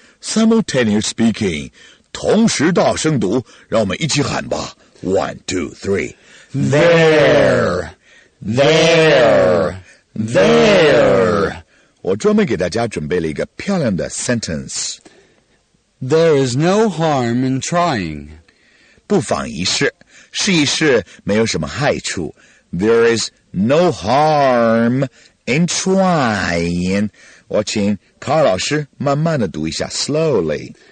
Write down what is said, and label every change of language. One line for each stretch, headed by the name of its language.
English: Simultaneous speaking,
Chinese: 同时大声读让我们一起喊吧。
English: One, two, three. There, there, there.
Chinese: 我专门给大家准备了一个漂亮的 sentence.
English: There is no harm in trying.
Chinese: 不妨一试，试一试没有什么害处。
English: There is no harm in trying.
Chinese: 我请卡尔老师慢慢的读一下 slowly.